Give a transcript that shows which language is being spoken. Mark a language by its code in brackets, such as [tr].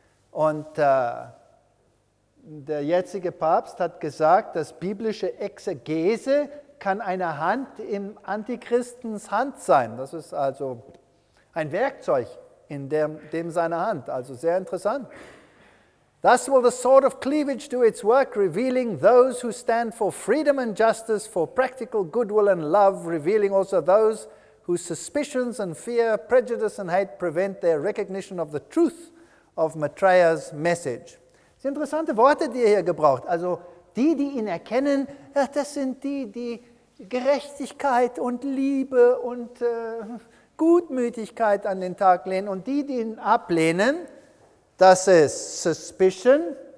[de] Und der jetzige Papst hat gesagt, dass biblische Exegese kann eine Hand im Antichristens Hand sein. Das ist also ein Werkzeug in dem seiner Hand. Also sehr interessant. [en] Thus will the sword of cleavage do its work, revealing those who stand for freedom and justice, for practical goodwill and love, revealing also those whose suspicions and fear, prejudice and hate prevent their recognition of the truth of Maitreya's message. [de] Das sind interessante Worte, die er hier gebraucht. Also die, die ihn erkennen, ja, das sind die, die Gerechtigkeit und Liebe und Gutmütigkeit an den Tag legen. Und die, die ihn ablehnen, das ist Suspicion.